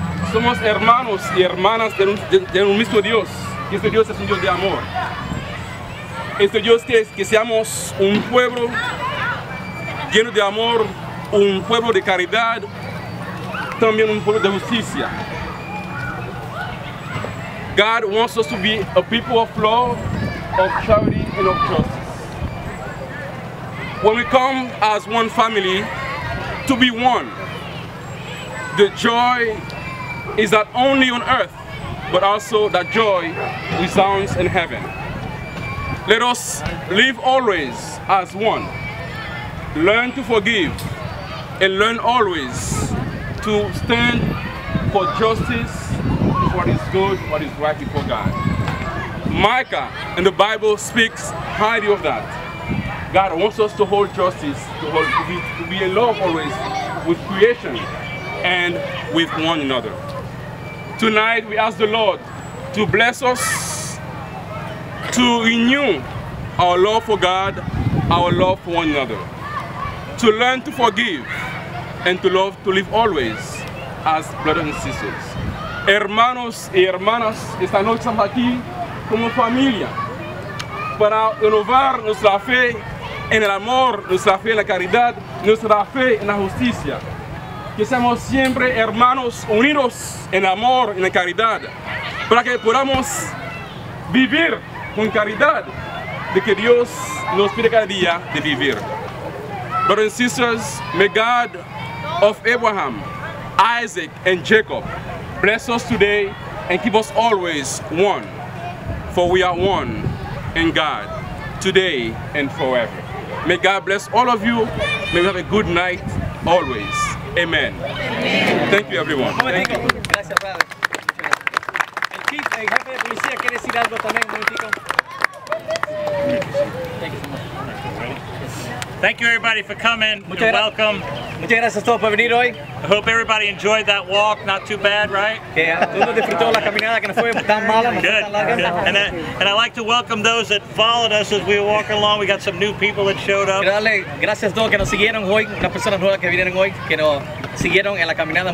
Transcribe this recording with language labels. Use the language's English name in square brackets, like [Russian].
[Spanish] somos hermanos y hermanas de un mismo Dios. Y este Dios es un Dios de amor. Este Dios quiere que seamos un pueblo lleno de amor, un pueblo de caridad, también un pueblo de justicia. [English] God wants us to be a people of love, of charity, and of justice. When we come as one family, to be one, the joy is not only on earth, but also that joy resounds in heaven. Let us live always as one. Learn to forgive, and learn always to stand for justice, what is good, what is right before God. Micah in the Bible speaks highly of that. God wants us to hold justice, to be in love always with creation and with one another. Tonight we ask the Lord to bless us, to renew our love for God, our love for one another, to learn to forgive, and to love, to live always as brothers and sisters. [Spanish] Hermanos y hermanas, esta noche estamos aquí como familia para renovar nuestra fe en el amor, nuestra fe en la caridad, nuestra fe en la justicia. Que seamos siempre hermanos unidos en amor y en la caridad, para que podamos vivir con caridad de que Dios nos pide cada día de vivir. [English] Brothers and sisters, may God of Abraham, Isaac, and Jacob bless us today and keep us always one, for we are one in God, today and forever. May God bless all of you. May we have a good night always. Amen. Amen. Thank you, everyone. Thank you. [Spanish] Gracias, padre. El chief, el jefe de policía, quiere decir algo también, un momentico. [English] Thank you, everybody, for coming. You're welcome. [Spanish] Muchas gracias a todos por venir hoy. [English] I hope everybody enjoyed that walk. Not too bad, right? Good. And I'd like to welcome those that followed us as we were walking along. We got some new people that showed up. [Spanish] Gracias a todos que nos siguieron hoy. Las personas nuevas que vinieron hoy, que nos siguieron en la caminada.